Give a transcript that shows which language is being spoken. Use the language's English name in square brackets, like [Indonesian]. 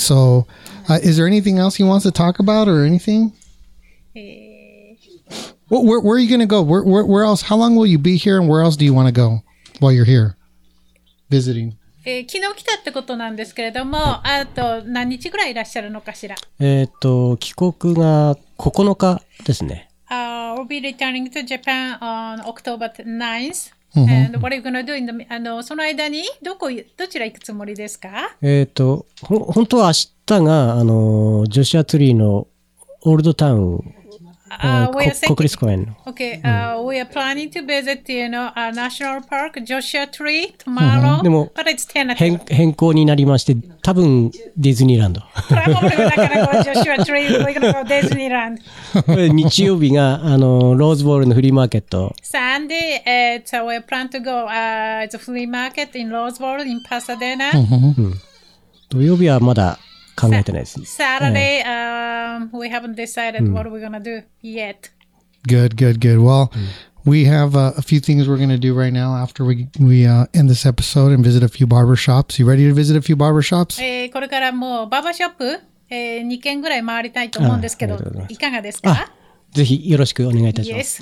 [English] So, is there anything else he wants to talk about or anything? Where are you going to go? Where else? How long will you be here and where else do you want to go while you're here? Visiting. [Japanese] 昨日来たってことなんですけれども、あと何日ぐらいいらっしゃるのかしら。帰国が9日ですね。 [English] We'll be returning to Japan on October 9th. And what are you gonna do in the [Japanese] その間にどちら行くつもりですか。本当は明日がジョシュアツリーのオールドタウン。 [English] Okay, we are planning to visit, you know, our national park, Joshua Tree, tomorrow, but it's 10 o'clock. [Japanese] 変更になりまして、多分ディズニーランド。 [English] Probably we're not going to go to Joshua Tree, we're going to go to Disneyland. [Japanese] 日曜日がローズボールのフリーマーケット。 [English] Sunday, we plan to go to flea market in ローズボール in Pasadena. [Japanese] 土曜日はまだ考えてないです。 [English] Saturday, we haven't decided what we're going to do yet. Good, good, good. Well, we have a few things we're going to do right now after we end this episode and visit a few barbershops. You ready to visit a few barbershops? [Japanese] これからもうバーバーショップ2軒ぐらい回りたいと思うんですけど、いかがですか? ぜひよろしくお願いいたします。